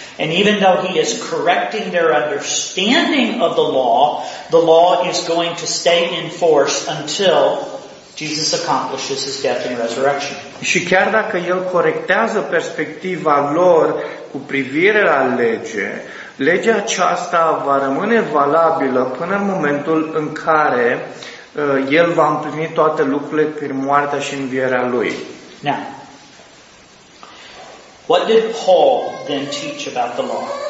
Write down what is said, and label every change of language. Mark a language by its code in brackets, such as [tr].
[en] And even though he is correcting their understanding of the law is going to stay in force until Jesus accomplishes his death and resurrection. [ro] Și chiar dacă el corectează perspectiva lor cu privire la lege, legea aceasta va rămâne valabilă până în momentul în care el va împlini toate lucrurile prin moartea și învierea lui. [en] Now, what did Paul then teach about the law?